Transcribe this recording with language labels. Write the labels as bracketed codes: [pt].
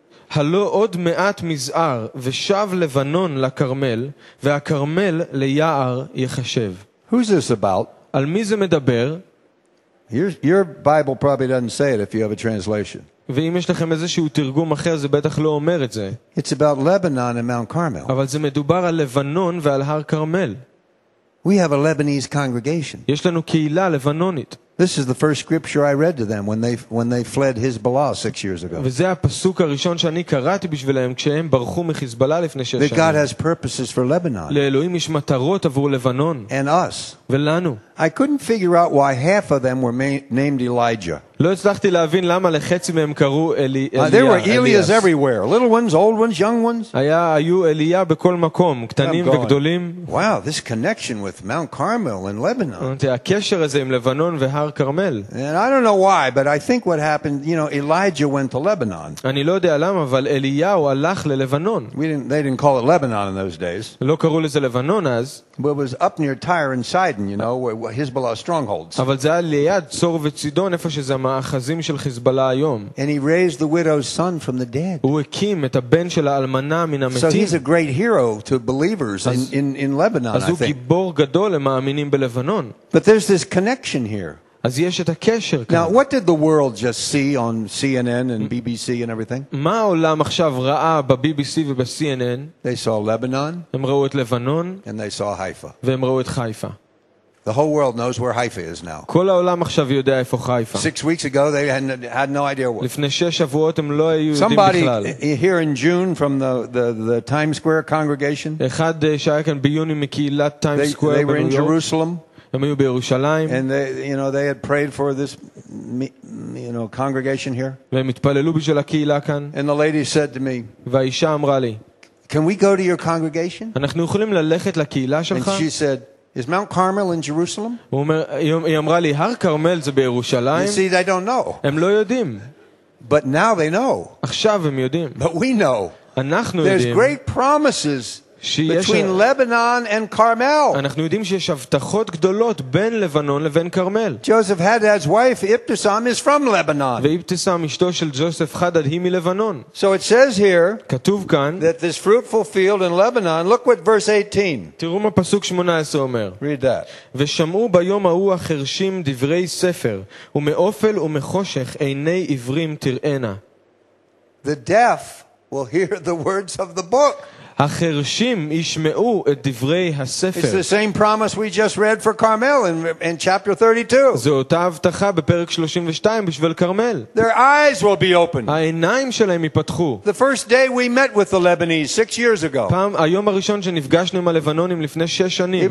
[he] הלעוד מעט מזער ושב לבנון לכרמל והכרמל ליער יחשב. [en] Who's this about? [he] על מי זה מדבר? [en] Your Bible probably doesn't say it if you have a translation. [he] ואם יש לכם איזשהו תרגום אחר, זה בטח לא אומר את זה. [en] It's about Lebanon and Mount Carmel. [he] אבל זה מדובר על לבנון ועל הר כרמל. [en] We have a Lebanese congregation. [he] יש לנו קהילה לבנונית. [en] This is the first scripture I read to them when they fled Hezbollah 6 years ago. [he] וזה הפסוק הראשון שאני קראתי בשבילם כשהם ברחו מחיזבאללה לפני 6 שנים. [en] The God has purposes for Lebanon. [he] לאלוהים יש מטרות עבור לבנון. [en] And us. [he] ולנו. [en] I couldn't figure out why half of them were named Elijah. [he] לא הצלחתי להבין למה לחצי מהם קראו אליה. [en] There were Elias everywhere. Little ones, old ones, young ones. [he] היו אליה בכל מקום, קטנים וגדולים. [en] Wow, this connection with Mount Carmel and Lebanon. [he] הקשר הזה עם לבנון והר כרמל. [en] And I don't know why, but I think what happened, you know, Elijah went to Lebanon. [he] אני לא יודע למה, אבל אליהו הלך ללבנון. [en] They didn't call it Lebanon in those days. [he] לא קראו לזה לבנון אז. [en] It was up near Tyre and Sidon, you know, where Hezbollah strongholds. [he] אבל זה ליד צור וצידון, איפה שזה המאחזים של חיזבאללה היום. [en] And he raised the widow's son from the dead. [he] הוא הקים את הבן של האלמנה מן המתים. [en] So he's a great hero to believers in Lebanon, I think. [he] אז הוא גיבור גדול למאמינים בלבנון. [en] But there's this connection here. [he] אז יש את הקשר כאן. [en] Now, what did the world just see on CNN and BBC and everything? [he] מה העולם עכשיו ראה ב-BBC וב-CNN? [en] They saw Lebanon. [he] הם ראו את לבנון. [en] And they saw Haifa. [he] והם ראו את חיפה. [en] The whole world knows where Haifa is now. [he] כל העולם עכשיו יודע איפה חיפה. [en] 6 weeks ago they had no idea where. [he] לפני 6 שבועות הם לא היו יודעים בכלל. [en] Somebody here in June from the Times Square congregation. [he] אחד שהיה כאן ביוני מקהילת Times Square בניו יורק. [en] They were in Jerusalem. [he] הם היו בירושלים. [en] And they, you know, they had prayed for this, you know, congregation here. [he] והם התפללו בשביל הקהילה כאן. [en] And the lady said to me. [he] והאישה אמרה לי. [en] Can we go to your congregation? [he] אנחנו יכולים ללכת לקהילה שלך? [en] And she said, Is Mount Carmel in Jerusalem? [he] היא אמרה לי, הר כרמל זה בירושלים? [en] You see, they don't know. [he] הם לא יודעים. [en] But now they know. [he] עכשיו הם יודעים. [en] But we know. [he] אנחנו יודעים. [en] There's great promises between Lebanon and Carmel. [he] אנחנו יודעים שיש הבטחות גדולות בין לבנון לבין כרמל. [en] Joseph Hadad's wife Ibtisam is from Lebanon. [he] ואיבטיסם אשתו של ג'וסף חדד היא מלבנון. [en] So it says here, [he] כתוב כאן, [en] that this fruitful field in Lebanon, look what verse 18. [he] תראו מה פסוק 18 אומר. [en] Read that. [he] ושמעו ביום ההוא החרשים דברי ספר, ומאופל ומחושך עיני עברים תראינה. [en] The deaf will hear the words of the book. [he] החרשים ישמעו את דברי הספר. [en] It's the same promise we just read for Carmel in chapter 32. [he] זו אותה הבטחה בפרק 32 בשביל כרמל. [en] Their eyes will be opened. [he] העיניים שלהם ייפתחו. [en] The first day we met with the Lebanese 6 years ago. [he] פעם היום הראשון שנפגשנו עם הלבנונים לפני 6 שנים.